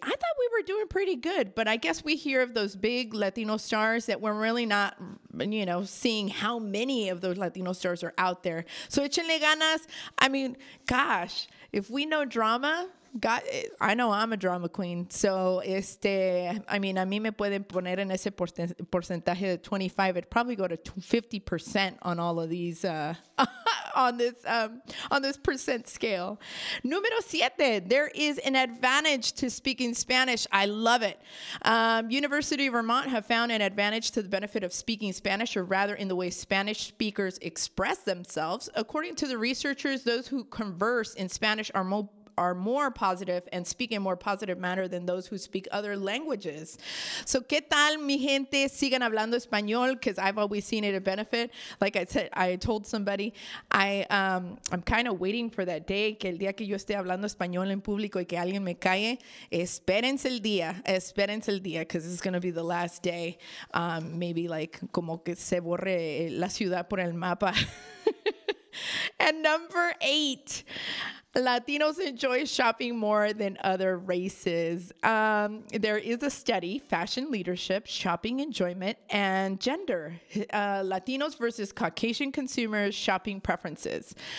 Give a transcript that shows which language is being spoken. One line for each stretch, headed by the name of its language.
English: I thought we were doing pretty good, but I guess we hear of those big Latino stars that we're really not, you know, seeing how many of those Latino stars are out there. So
Spanish: échenle ganas.
English: I mean, gosh, if we know drama, God, I know I'm a drama queen.
Spanish: So,
English: I mean,
Spanish: a mí me pueden poner en ese porcentaje de 25.
English: It'd probably go to 50% on all of these, on this percent scale.
Spanish: Número siete,
English: there is an advantage to speaking Spanish. I love it. University of Vermont have found an advantage to the benefit of speaking Spanish, or rather in the way Spanish speakers express themselves. According to the researchers, those who converse in Spanish are more positive and speak in a more positive manner than those who speak other languages. So,
Spanish: ¿qué tal, mi gente? Sigan hablando español,
English: because I've always seen it a benefit. Like I said, I told somebody, I'm kind of waiting for that day,
Spanish: que el día que yo esté hablando español en público y que alguien me calle, espérense el día,
English: because it's going to be the last day. Maybe like,
Spanish: como que se borre la ciudad por el mapa.
English: And number eight, Latinos enjoy shopping more than other races. There is a study, Fashion Leadership, Shopping Enjoyment, and Gender, Latinos versus Caucasian Consumers Shopping Preferences.